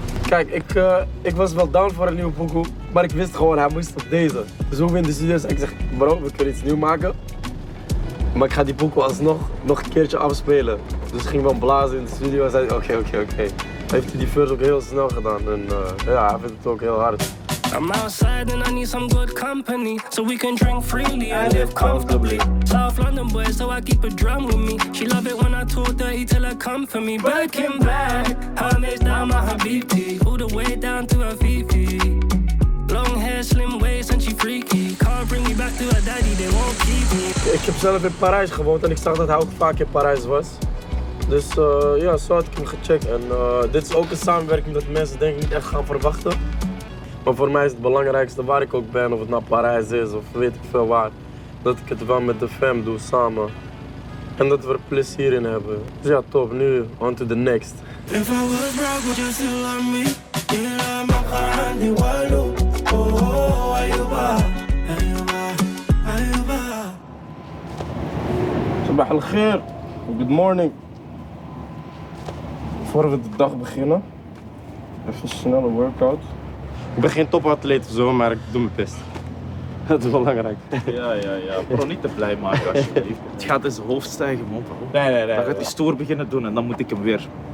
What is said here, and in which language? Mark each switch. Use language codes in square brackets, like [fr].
[nl] Kijk, ik was wel down voor een nieuwe pokoe, maar ik wist gewoon, hij moest op deze. Dus we in de studio en ik zeg, bro, we kunnen iets nieuws maken. Maar ik ga die pokoe alsnog nog een keertje afspelen. Dus ik ging wel blazen in de studio en zei, oké. Heeft hij die first ook heel snel gedaan en ja, hij vindt het ook heel hard. [en] I'm outside and I need some good company, so we can drink freely and live comfortably. South London boy, so I keep a drum with me. She love it when I talk dirty, tell her come for me. Breaking back, Hermes down my habibi, all the way down to her fifi. Long hair, slim waist and she freaky. Can't bring me back to her daddy, they won't keep me. [nl] Ik heb zelf in Parijs gewoond en ik zag dat hij ook vaak in Parijs was. Dus ja, zo had ik hem gecheckt. En dit is ook een samenwerking dat mensen denk ik niet echt gaan verwachten. Maar voor mij is het belangrijkste waar ik ook ben, of het naar Parijs is of weet ik veel waar, dat ik het wel met de fam doe samen. En dat we er plezier in hebben. Dus ja, top, nu [en] on to the next. If I was broke, would you still love me? [ar] Sabah al khair, [en] good morning. [nl] Voor we de dag beginnen, even een snelle workout. Ik ben geen topatleet of zo, maar ik doe mijn best. Dat is belangrijk. Ja. Bro, niet te blij maken, alsjeblieft. Het gaat in zijn hoofd stijgen, man. Nee. Dan gaat hij stoer beginnen doen en dan moet ik hem weer.